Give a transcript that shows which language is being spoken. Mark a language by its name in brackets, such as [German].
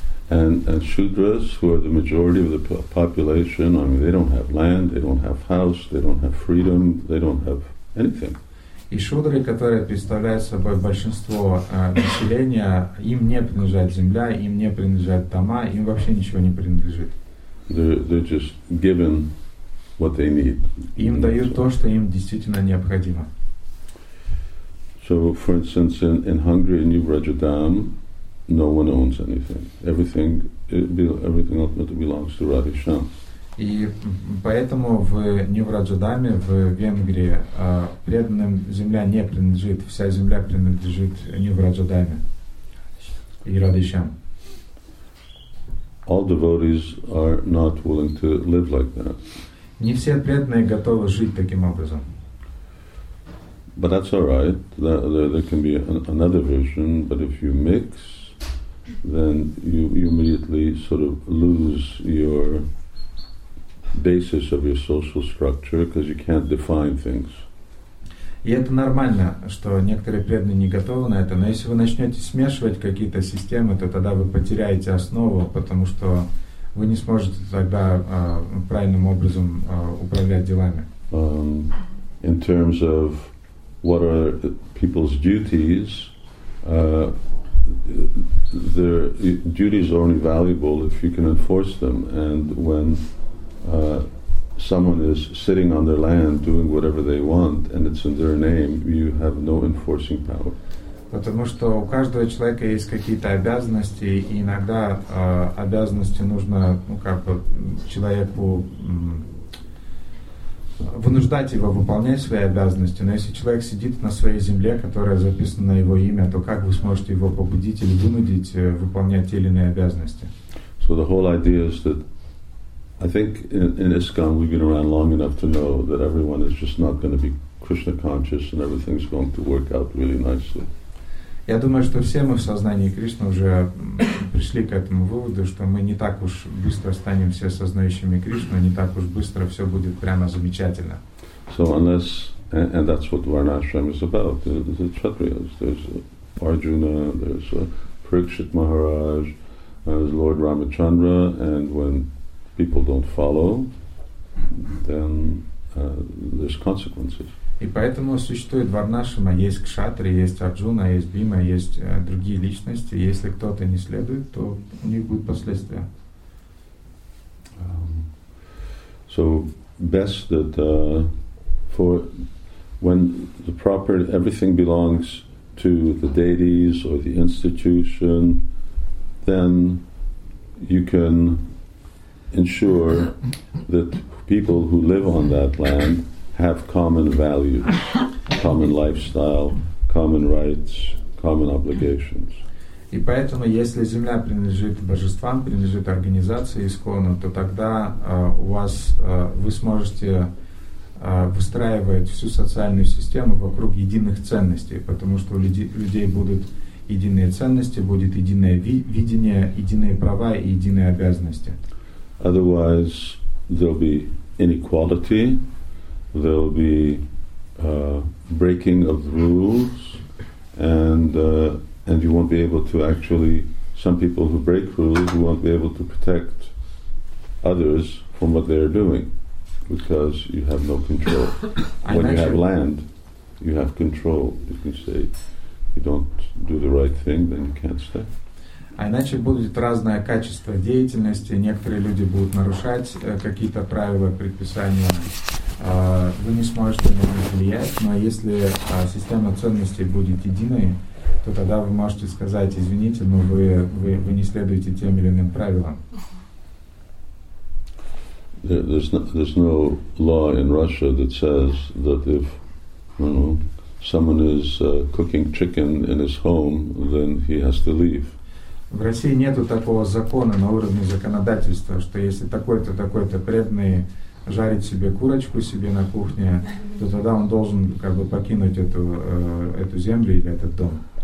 [English] And Shudras, who are the majority of the population, I mean, they don't have land, they don't have house, they don't have freedom, they don't have anything. [Russian] И шудры, которые представляют собой большинство населения, им не принадлежит земля, им не принадлежат дома, им вообще ничего не принадлежит. [English] They're just given what they need. [Russian] Им дают то, что им действительно необходимо. [English] So, for instance, in Hungary, in New Rajadham, no one owns anything. Everything ultimately belongs to Radha Shyam. [Russian] И поэтому в Нивраджадаме, в Венгрии, преданным земля не принадлежит, вся земля принадлежит Нивраджадаме и Радхишам. [English] All devotees are not willing to live like that. [Russian] Не все преданные готовы жить таким образом. [English] But that's all right. There can be another version. But if you mix, then you immediately sort of lose your basis of your social structure because you can't define things. [Russian] И это нормально, что некоторые преданные не готовы на это. Но если вы начнете смешивать какие-то системы, то тогда вы потеряете основу, потому что вы не сможете тогда правильным образом управлять делами. [English] In terms of what are people's duties, their duties are only valuable if you can enforce them. And when someone is sitting on their land doing whatever they want and it's in their name, you have no enforcing power. [Russian] Потому что у каждого человека есть какие-то обязанности, и иногда обязанности нужно, ну, как бы, человеку вынуждать его выполнять свои обязанности. Но если человек сидит на своей земле, которая записана на его имя, то как вы сможете его побудить или вынудить выполнять те или иные обязанности? [English] So the whole idea is that I think in ISKCON we've been around long enough to know that everyone is just not going to be Krishna conscious and everything's going to work out really nicely. [Russian] Я думаю, что все мы в сознании Кришны уже пришли к этому выводу, что мы не так уж быстро станем все сознающими Кришну, не так уж быстро все будет прямо замечательно. [English] So unless, and that's what Varnashram is about, the Kshatriyas, there's Arjuna, there's Parikshit Maharaj, there's Lord Ramachandra, and when people don't follow, then there's consequences. [Russian] И поэтому существует Варнашрама, есть Кшатри, есть Арджуна, есть Бима, есть другие личности. Если кто-то не следует, то у них будут последствия. [English] So best that for when the proper everything belongs to the deities or the institution, then you can ensure that people who live on that land have common values, common lifestyle, common rights, common obligations. [Russian] И поэтому, если земля принадлежит божествам, принадлежит организации ИСККОНу, то тогда у вас вы сможете выстраивать всю социальную систему вокруг единых ценностей, потому что у людей будут единые ценности, будет единое видение, единые права и единые обязанности. [English] Otherwise, there'll be inequality. There'll be breaking of rules, and you won't be able to actually. Some people who break rules, you won't be able to protect others from what they're doing, because you have no control. When you have land, you have control. If you say you don't do the right thing, then you can't stay. [Russian] А иначе будет разное качество деятельности. Некоторые люди будут нарушать какие-то правила, предписания. Вы не сможете на них влиять, но если система ценностей будет единой, то тогда вы можете сказать: извините, но вы не следуете тем или иным правилам. [English] There's no law in Russia that says that if someone is cooking chicken in his home, then he has to leave. [Russian] В России нету такого закона на уровне законодательства, что если такой-то, такой-то преданный жарить себе курочку себе на кухне, то тогда он должен как бы покинуть эту землю или этот дом.